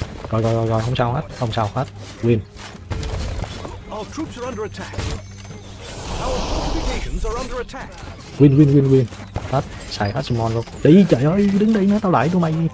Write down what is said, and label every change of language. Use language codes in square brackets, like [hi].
[vi] Rồi rồi rồi rồi, không sao hết, không sao hết. [en] Win. Our troops are under attack. Our fortifications are under attack. Win win win win. [vi] Hết, xài hết summon luôn. Đi trời ơi, đứng đây nó tao lại tụi mày.